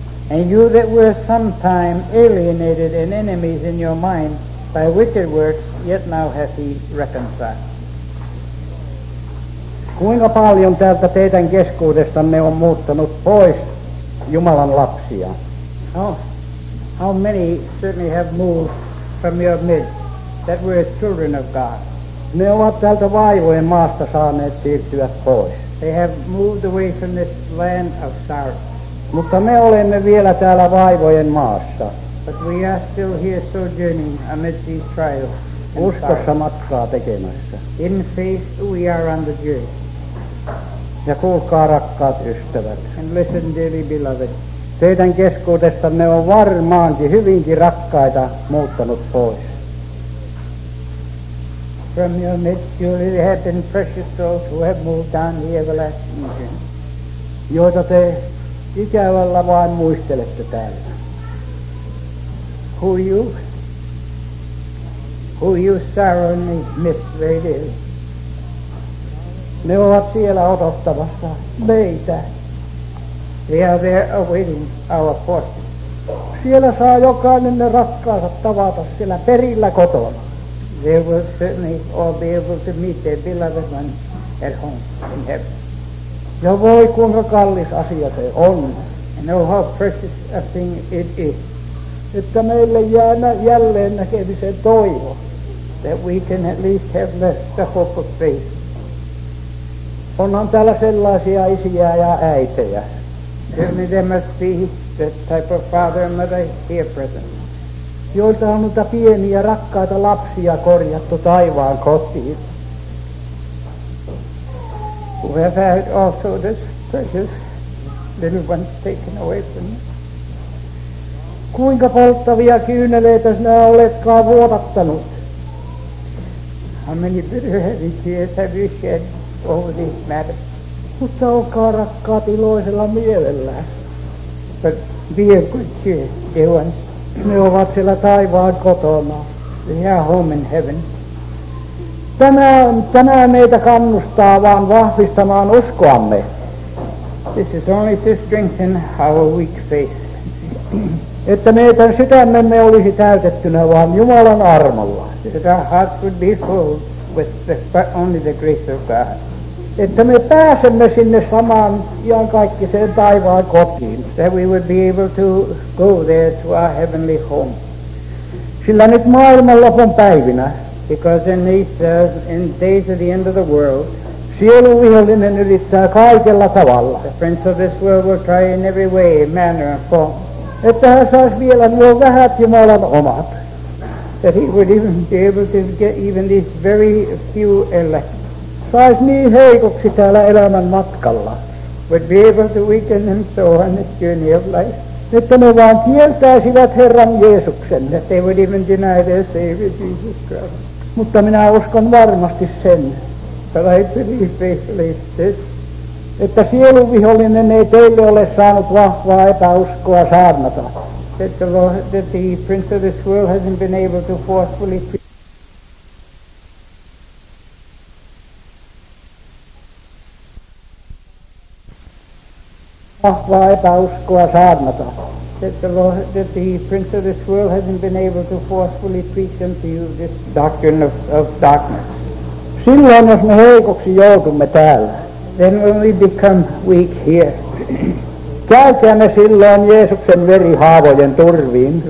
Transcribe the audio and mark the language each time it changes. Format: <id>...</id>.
<en>And you that were sometime alienated and enemies in your mind by wicked works, yet now hath he reconciled.</en> <fi>Kuinka paljon täältä teidän keskuudestanne on muuttanut pois Jumalan lapsia?</fi> <en>Oh, how many certainly have moved from your midst that were children of God?</en> <fi>Ne ovat täältä vaivojen maasta saaneet siirtyä pois.</fi> <en>They have moved away from this land of sorrow.</en> <fi>Mutta me olemme vielä täällä vaivojen maassa.</fi> <en>But we are still here sojourning amid these trials.</en> <fi>Uskossa matkaa tekemässä.</fi> <en>In faith we are on the journey.</en> <fi>Ja kuulkaa rakkaat ystävät.</fi> <en>And listen dearly beloved.</en> <fi>Teidän keskuudestanne on varmaankin hyvinkin rakkaita muuttanut pois.</fi> <en>From your midst surely there have been precious souls who have moved on the everlasting journey.</en> <fi>Joita te ikävällä vain muistelette täällä.</fi> <en>Who you sorrowingly miss very dearly.</en> <fi>Ne ovat siellä odottamassa meitä.</fi> <en>They are there awaiting our portion.</en> <fi>Siellä saa jokainen ne rakkaansa tavata siellä perillä kotona.</fi> <en>They will certainly all be able to meet their beloved one at home in heaven.</en> <fi>Ja voi kuinka kallis asia se on.</fi> <en>And oh how precious a thing it is.</en> <fi>Että meille jää jälleen näkemisen toivo.</fi> <en>That we can at least have left the hope of faith.</en> <fi>Onhan täällä sellaisia isiä ja äitejä.</fi> <en>Certainly there must be that type of father and mother here present.</en> <fi>Joilta on noita pieniä rakkaita lapsia korjattu taivaan kotiin.</fi> <en>We have had also this precious little one taken away from you.</en> <fi>Kuinka polttavia kyyneleitä sinä oletkaan vuodattanut?</fi> <en>How many bitter heavy tears have you shed over these matters?</en> <fi>Mutta olkaa rakkaat iloisella mielellä.</fi> <en>But be a good cheer, dear ones.</en> <fi>Ne ovat siellä taivaan kotona.</fi> <en>They are home in heaven.</en> <fi>Tämä meitä kannustaa vaan vahvistamaan uskoamme.</fi> <en>This is only to strengthen our weak faith.</en> <fi>Että meidän sydämemme olisi täytettynä vaan Jumalan armolla.</fi> <en>That our hearts would be filled with only the grace of God.</en> <fi>Että me pääsemme sinne samaan iankaikkiseen taivaan kotiin.</fi> <en>That we would be able to go there to our heavenly home.</en> <fi>Sillä nyt maailman lopun päivinä.</fi> <en>Because in these in days of the end of the world,</en> <fi>sielun vihollinen yrittää kaikella tavalla.</fi> <en>The prince of this world will try in every way, manner, and form.</en> <fi>Että hän saisi vielä nuo vähät Jumalan omat.</fi> <en>That he would even be able to get even these very few elect.</en> <fi>Saisi niin heikoksi täällä elämän matkalla.</fi> <en>Would be able to weaken them so on this journey of life.</en> <fi>Että ne vaan kieltäisivät Herran Jeesuksen.</fi> <en>That they would even deny their Savior Jesus Christ.</en> <fi>Mutta minä uskon varmasti sen.</fi> <en>But I believe faithfully this.</en> <fi>Että sielun vihollinen ei teille ole saanut vahvaa epäuskoa saarnata.</fi> <en>That the Lord, that the prince of this world hasn't been able to forcefully preach.</en> <fi>Vahvaa epäuskoa saarnata.</fi> <en>That the Lord, that the prince of this world hasn't been able to forcefully preach unto you this doctrine of darkness.</en> <fi>Silloin jos me heikoksi joudumme täällä.</fi> <en>Then when we become weak here.</en> <fi>Käykäämme silloin Jeesuksen verihaavojen turviin.</fi>